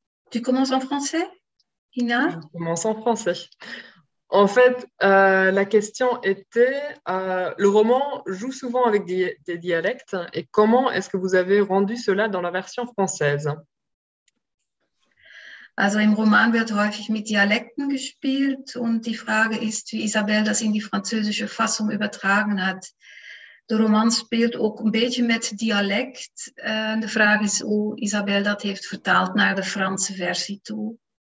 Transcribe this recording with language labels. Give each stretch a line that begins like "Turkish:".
French: Tu commences en français, Ina? Je commence en français. En fait, la question était, le roman joue souvent avec des dialectes, et comment est-ce que vous avez rendu cela dans la version française?
German: Also im Roman wird häufig mit Dialekten gespielt und die Frage ist, wie Isabelle das in die französische Fassung übertragen hat. Der Roman spielt auch ein bisschen mit Dialekt. Die Frage ist, wie Isabelle das
Dutch: heeft vertaald naar de Franse versie toe.